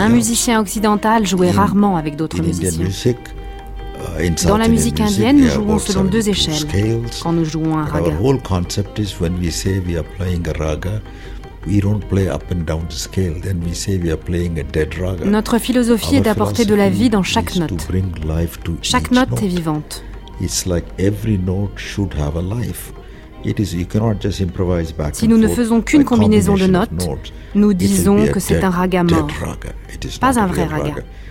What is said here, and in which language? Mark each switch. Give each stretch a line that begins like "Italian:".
French: Un musicien occidental jouait rarement avec d'autres musiciens. Dans la musique indienne, nous jouons selon deux échelles quand nous jouons un raga.
English: Our whole concept is when we say we are playing a raga, we don't play up and down the scale. Then we say we are playing a dead raga.
French: Notre philosophie est d'apporter de la vie dans chaque note. Chaque note est vivante.
English: It's like every note should have a life. It is, you cannot just improvise back and forth.
French: Si nous ne faisons qu'une combinaison de notes, nous disons que c'est un raga mort. Pas un vrai raga.